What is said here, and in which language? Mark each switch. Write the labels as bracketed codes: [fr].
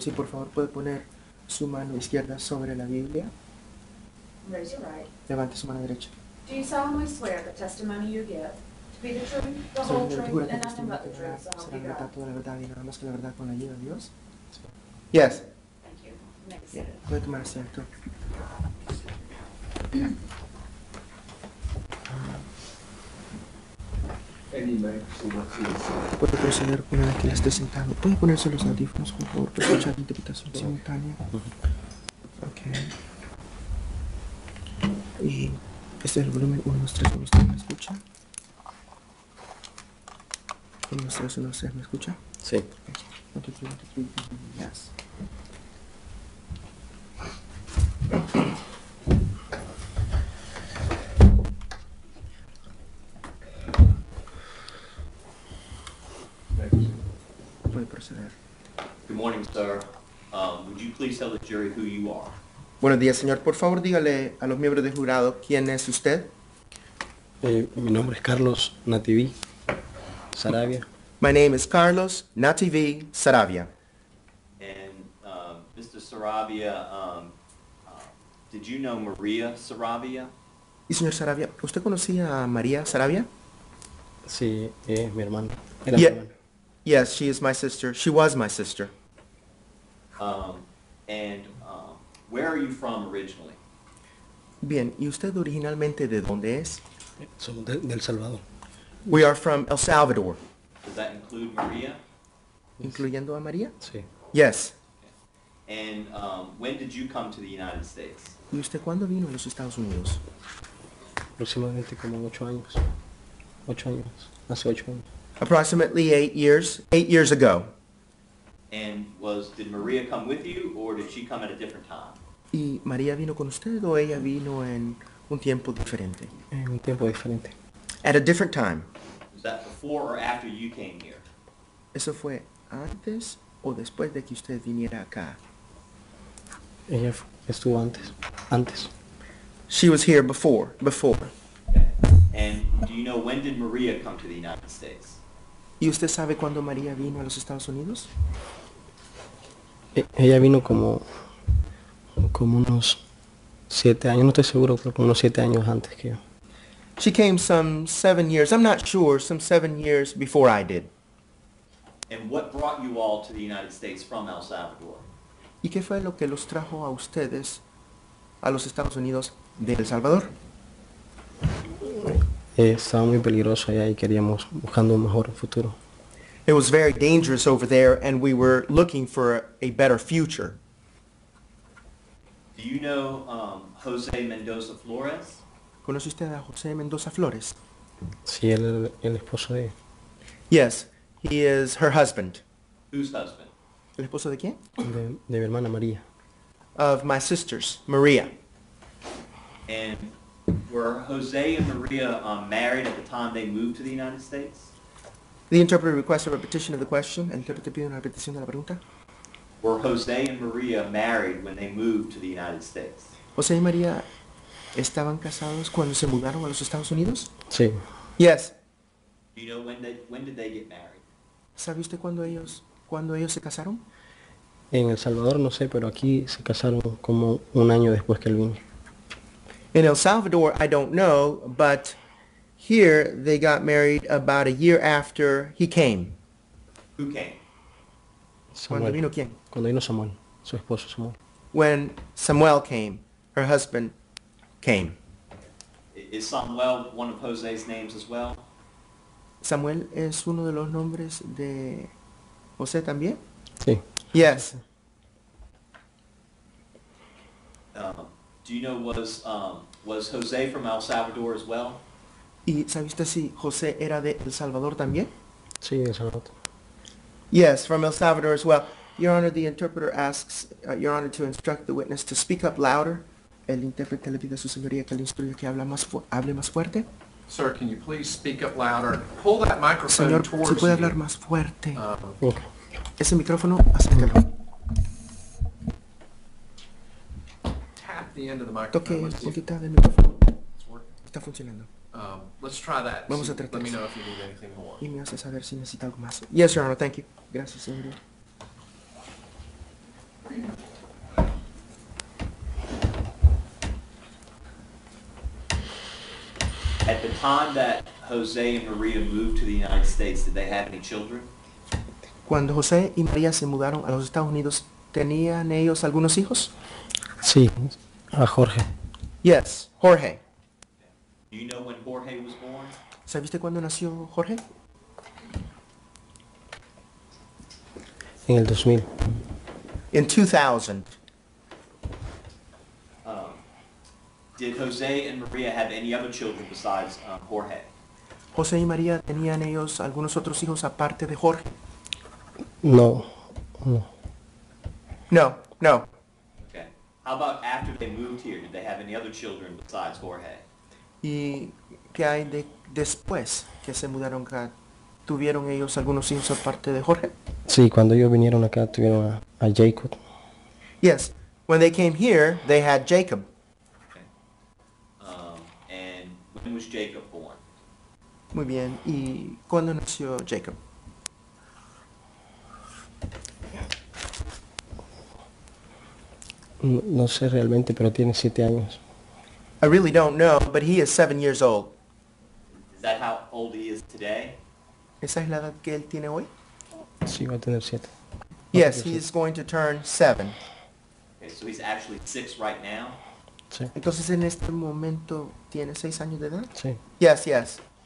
[es] Si por favor puede poner su mano izquierda sobre la Biblia. [en] Raise your right. [es] Levante su mano derecha. [en] Do you solemnly swear the testimony you give to be the truth, the whole truth, and nothing but the truth, so help you God? [es] Será la verdad, toda la verdad y nada más que la verdad con la ayuda de Dios. [en] Yes. Thank you. Next. [es] Puede tomar asiento. Puede proceder una vez que ya esté sentado. Puede ponerse los audífonos, por favor, para escuchar la interpretación simultánea. Ok. Y este es el volumen 1, 2, 3, 1, 2, 3, ¿me escucha? 1, 2, 3, 1, 2, 3, ¿me escucha? Sí. [en] Ok. 1, 2, 3, 1, 2, 3, yes. Good morning, sir. Would you please tell the jury who you are? [es] Buenos días, señor. Por favor, dígale a los miembros del jurado quién es usted. Mi nombre es Carlos Nativí Saravia. [en] My name is Carlos Nativí Saravia. And Mr. Saravia, did you know Maria Saravia? [es] Y señor Saravia, ¿usted conocía a María Saravia? Sí, mi hermana. [en] Yes, she is my sister. She was my sister. Where are you from originally? [es] Bien, ¿y usted originalmente de dónde es? Somos de El Salvador. [en] We are from El Salvador. Does that include Maria? [es] ¿Incluyendo a María? Sí. [en] Yes. Okay. And when did you come to the United States? [es] ¿Y usted cuándo vino a los Estados Unidos? Aproximadamente como 8 años. 8 años. Hace 8 años. [en] Approximately 8 years, 8 years ago. And did Maria come with you, or did she come at a different time? [es] ¿Y María vino con usted o ella vino en un tiempo diferente? En un tiempo diferente. [en] At a different time. Was that before or after you came here? [es] ¿Eso fue antes o después de que usted viniera acá? Ella estuvo antes. Antes. [en] She was here before. Okay. And do you know when did Maria come to the United States? [es] ¿Y usted sabe cuándo María vino a los Estados Unidos? Ella vino como unos 7 años. No estoy seguro, pero como unos 7 años antes que yo. [en] She came some 7 years. I'm not sure. Some 7 years before I did. And what brought you all to the United States from El Salvador? [es] ¿Y qué fue lo que los trajo a ustedes a los Estados Unidos de El Salvador? Estaba muy peligroso allá y queríamos buscando un mejor futuro. [en] It was very dangerous over there and we were looking for a better future. Do you know José Mendoza Flores? [es] ¿Conoce usted a José Mendoza Flores? Sí, él es el esposo de ella. [en] Yes, he is her husband. Whose husband? [es] ¿El esposo de quién? De mi hermana María. [en] Of my sisters, María. And were José and María married at the time they moved to the United States? The interpreter requests a repetition of the question. [es] El intérprete pide una repetición de la pregunta. [en] Were José and María married when they moved to the United States? [es] José y María estaban casados cuando se mudaron a los Estados Unidos? Sí. [en] Yes. Do you know when did they get married? [es] ¿Sabe usted cuándo ellos se casaron? En El Salvador no sé, pero aquí se casaron como un año después que él vino. [en] In El Salvador, I don't know, but here they got married about a year after he came. Who came? [es] Samuel. ¿Cuándo vino quién? Cuando vino Samuel, su esposo Samuel. [en] When Samuel came, her husband came. Is Samuel one of Jose's names as well? [es] Samuel es uno de los nombres de José también? Sí. [en] Yes. Do you know was José from El Salvador as well? [es] ¿Y sabe usted si José era de El Salvador también? Sí, El Salvador. [en] Yes, from El Salvador as well. Your Honor, the interpreter asks Your Honor to instruct the witness to speak up louder. [es] El intérprete le pide a su señoría que le instruya que hable más fuerte. [en] Sir, can you please speak up louder? Pull that microphone [es] señor, [en] towards you. [es] Señor, ¿se puede hablar más fuerte? Ese micrófono, acércalo. [en] the end of the microphone. [es] Toque un poquito del micrófono. Está funcionando. [en] Let's try that. [es] Vamos a tratar. [en] Let me know if you need anything more. [es] Y me hace saber si necesita algo más. [en] Yes, Your Honor. Thank you. [es] Gracias, señor. [en] At the time that Jose and Maria moved to the United States, did they have any children? [es] Cuando José y María se mudaron a los Estados Unidos, ¿tenían ellos algunos hijos? Sí, a Jorge. [en] Yes, Jorge. Do you know when Jorge was born? [es] ¿Sabiste cuándo nació Jorge? En el 2000. [en] In 2000. Did Jose and Maria have any other children besides Jorge? [es] José y María, ¿tenían ellos algunos otros hijos aparte de Jorge? No. [en] No, no. Okay. How about after they moved here? Did they have any other children besides Jorge? [es] ¿Y qué hay de después que se mudaron acá? ¿Tuvieron ellos algunos hijos aparte de Jorge? Sí, cuando ellos vinieron acá tuvieron a Jacob. [en] Yes. When they came here, they had Jacob. Okay. And when was Jacob born? [es] Muy bien. ¿Y cuándo nació Jacob? No sé realmente, pero tiene 7 años. [en] I really don't know, but he is 7 years old. Is that how old he is today? [es] ¿Esa es la edad que él tiene hoy? Sí, va a tener 7. [en] Yes, he is going to turn 7. Okay, so he's actually 6 right now? [es] Sí. Entonces en este momento tiene 6 años de edad? Sí. [en] Yes, yes.